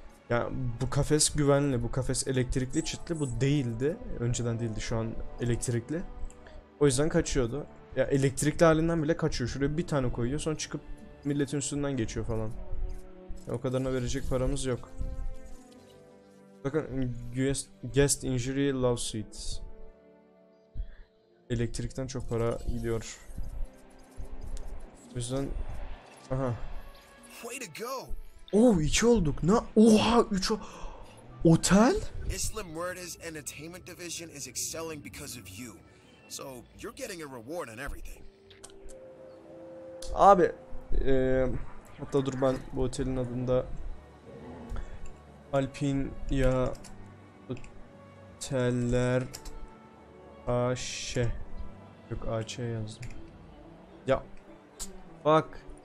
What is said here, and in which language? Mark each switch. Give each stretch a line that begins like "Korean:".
Turkish: Ya bu kafes güvenli, bu kafes elektrikli, çitli. Bu değildi. Önceden değildi, şu an elektrikli. O yüzden kaçıyordu. Ya elektrikli halinden bile kaçıyor. Şuraya bir tane koyuyor, sonra çıkıp milletin üstünden geçiyor falan. O kadarına verecek paramız yok. Bakın,
English: guest injury lawsuit.
Turkish: Elektrikten çok para gidiyor. O yüzden... Aha.
English: Way to go.
Turkish: Oo, 2 olduk. Ne? Oha, 3 o... Otel?
English: Islam Murda's entertainment division is excelling because of you. So you're getting a reward on everything.
Turkish: Abi, hatta dur, ben bu otelin adında Alpin ya Oteller AŞ, yok AÇ yazdım. Ya bak.